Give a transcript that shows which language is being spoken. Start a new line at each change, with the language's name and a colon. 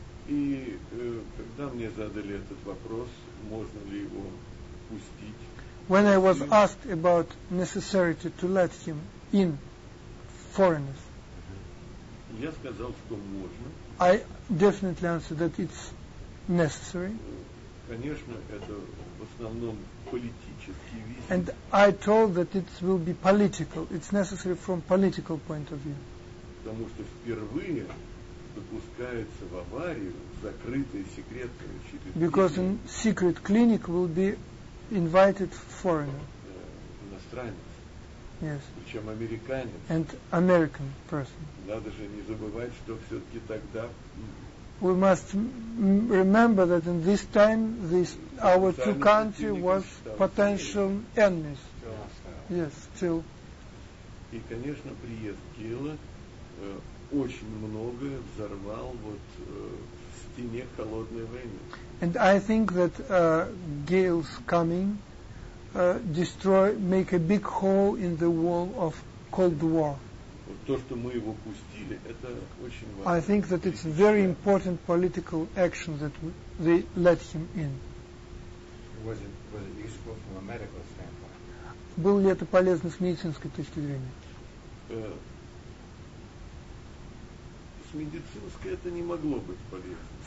Russian: И когда мне задали этот вопрос, можно ли его пустить?
English: When I was asked about necessity to let him in foreigners,
Russian: я сказал, что можно.
English: I definitely answered that it's necessary.
Russian: Конечно, это в основном политический визит.
English: And I told that it will be political. It's necessary from political point of view.
Russian: Потому что впервые допускается в аварию закрытая секретная клиника.
English: Because in secret clinic will be invited foreigner.
Russian: Иностранец.
English: Yes.
Russian: Причем американец.
English: And American person.
Russian: Надо же не забывать, что все-таки тогда.
English: We must remember that in this time, this our two countries was potential enemies. Yes, still.
Russian: И, конечно, приезд Гейла очень многое взорвал вот в стене холодной войны.
English: And I think that Gail's coming make a big hole in the wall of Cold War.
Russian: То, что мы его пустили, это очень важно.
English: I think that it's very important political action that they let him in. Was it useful from a medical standpoint?
Russian: Было ли это полезно с медицинской точки зрения? С медицинской это не могло быть полезно.